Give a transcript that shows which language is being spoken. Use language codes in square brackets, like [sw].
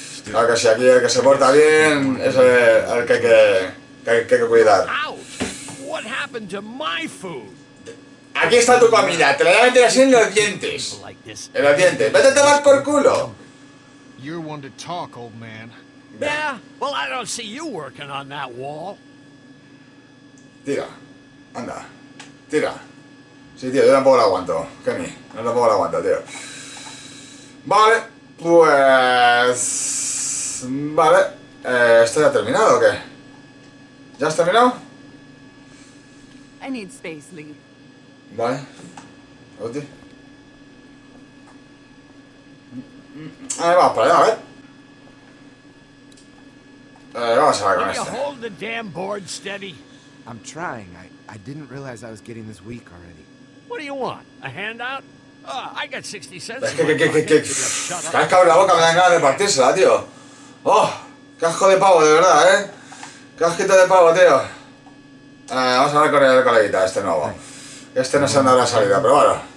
[es] Claro que sí, aquí el que se porta bien es el que hay que cuidar. [en] What happened to my food? [es] Aquí está tu comida, te la voy a meter así en los dientes. En los dientes. ¡Vete a tomar por culo! [en] You're one to talk, old man. Yeah, well, I don't see you working on that wall. [es] Tira. Anda. Tira. Sí, tío, yo tampoco la aguanto. Kenny, yo tampoco la aguanto, tío. Vale, pues... Vale. ¿Esto ya ha terminado o qué? ¿Ya has terminado? [en] I need space, Lee. [es] Vale. Oye. A ver, vamos para allá, ¿eh? Vamos a ver con esto. [en] Hold the damn board steady. I'm trying. I didn't realize I was getting this weak already. What do you want? A handout? I got 60 cents. [es] Es que cabrón, la boca me da ganas de partírsela, tío. Oh, casco de pavo, de verdad, ¿eh? Casquito de pavo, tío. Vamos a ver con el coleguita este nuevo. Este no se anda a la salida, pero bueno.